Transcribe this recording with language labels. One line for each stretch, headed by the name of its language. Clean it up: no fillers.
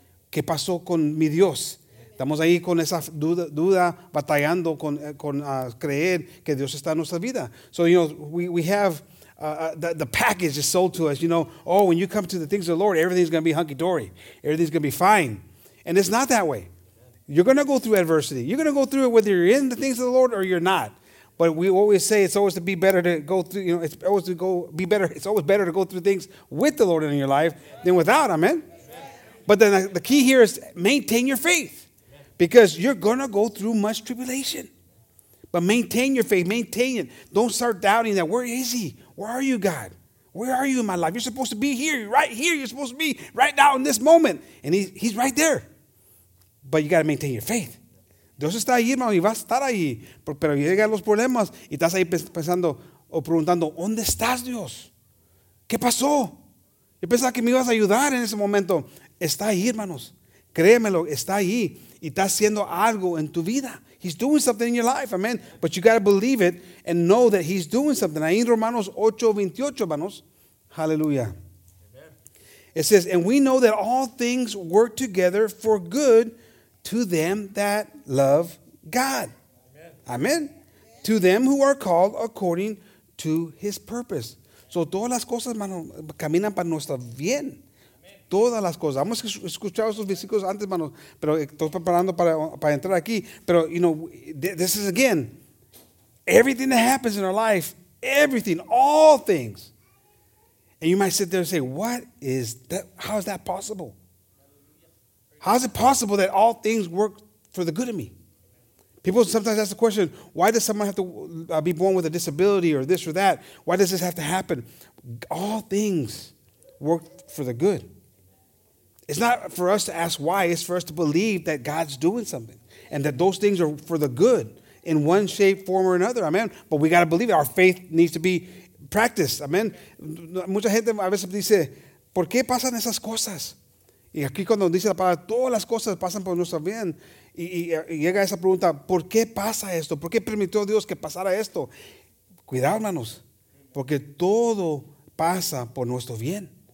Spanish: ¿Qué pasó con mi Dios? Estamos ahí con esa duda batallando con creer que Dios está en nuestra vida.
English: So, you know, we have the package is sold to us, you know, oh, when you come to the things of the Lord, everything's going to be hunky-dory. Everything's going to be fine. And it's not that way. You're going to go through adversity. You're going to go through it whether you're in the things of the Lord or you're not. But we always say it's always to be better to go through, you know, it's always to go be better. It's always better to go through things with the Lord in your life than without. Amen. Amen. But then the key here is maintain your faith, because you're going to go through much tribulation. But maintain your faith. Maintain it. Don't start doubting that. Where is he? Where are you, God? Where are you in my life? You're supposed to be here, right here. You're supposed to be right now in this moment. And he's right there. But you got to maintain your faith.
Spanish: Dios está ahí, hermano, y va a estar ahí. Pero llegan los problemas y estás ahí pensando o preguntando, ¿dónde estás, Dios? ¿Qué pasó? Yo pensaba que me ibas a ayudar en ese momento. Está ahí, hermanos. Créemelo, está ahí. Y está haciendo algo en tu vida.
English: He's doing something in your life, amen. But you got to believe it and know that he's doing something.
Spanish: Ahí en Romanos 8:28, hermanos.
English: Hallelujah. It says, and we know that all things work together for good to them that love God. Amen. Amen. To them who are called according to his purpose.
Spanish: So todas las cosas, hermano, caminan para nuestro bien. Amen. Todas las cosas. Vamos a escuchar esos versículos antes, hermano. Pero estoy preparando para entrar aquí.
English: Pero, you know, this is again, everything that happens in our life, everything, all things. And you might sit there and say, what is that? How is that possible? How is it possible that all things work for the good of me? People sometimes ask the question, why does someone have to be born with a disability or this or that? Why does this have to happen? All things work for the good. It's not for us to ask why. It's for us to believe that God's doing something and that those things are for the good in one shape, form, or another. Amen. But we got to believe it. Our faith needs to be practice, amen.
Spanish: Mucha gente a veces dice, ¿por qué pasan esas cosas? Y aquí cuando dice la palabra, todas las cosas pasan por nuestro bien. Y llega esa pregunta, ¿por qué pasa esto? ¿Por qué permitió Dios que pasara esto? Cuidado, hermanos, porque todo pasa por nuestro bien.